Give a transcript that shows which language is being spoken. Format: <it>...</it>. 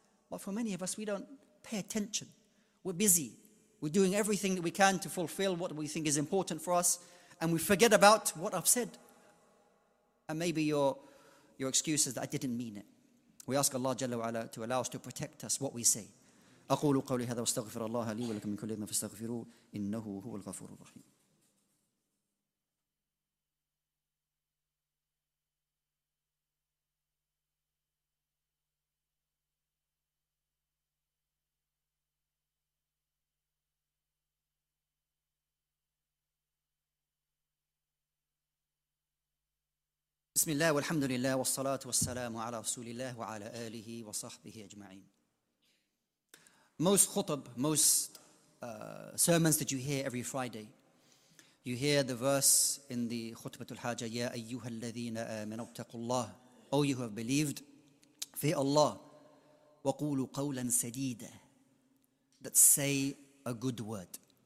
<en>But for many of us, we don't pay attention. We're busy. We're doing everything that we can to fulfill what we think is important for us, and we forget about what I've said. And maybe your excuse is that I didn't mean it. We ask Allah Jalla wa Ala to allow us to protect us what we say.</en> <ar>أقول قولي هذا واستغفر الله لي ولكم من كل ذنب فاستغفروه إنه هو الغفور الرحيم. بسم الله والحمد لله والصلاة والسلام على رسول الله وعلى آله وصحبه أجمعين.</ar> <en>Most khutb, most sermons that you hear every Friday, you hear the verse in the khutbatul haja,</en> <ar>يا أيها الذين آمنوا اتقوا الله.</ar> <en>O you who have believed, fear Allah.</en> <ar>وقولوا قولا سديدا.</ar> <en>That say a good word.</en>